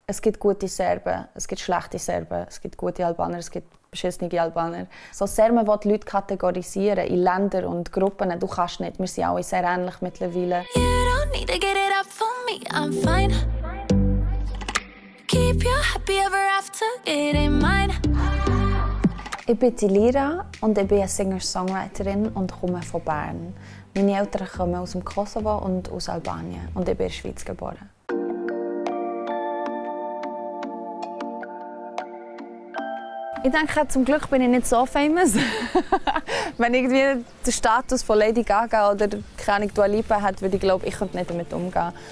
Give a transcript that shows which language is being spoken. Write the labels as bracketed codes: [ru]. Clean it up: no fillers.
[de] Es gibt gute Serben, es gibt schlechte Serben, es gibt gute Albaner, es gibt beschissene Albaner. So sehr man will die Leute kategorisieren in Länder und Gruppen, du kannst nicht. Wir sind alle sehr ähnlich mittlerweile. [en] You don't need to get it up for me, I'm fine. Keep you happy ever after, it ain't mine. [de] Ich bin die Lira und ich bin eine Singer-Songwriterin und komme von Bern. Meine Eltern kommen aus dem Kosovo und aus Albanien und ich bin in der Schweiz geboren. Ich denke, zum Glück bin ich nicht so famous. Wenn ich irgendwie den Status von Lady Gaga oder keine Dua Lipa hätte, würde ich glauben, ich könnte nicht damit umgehen.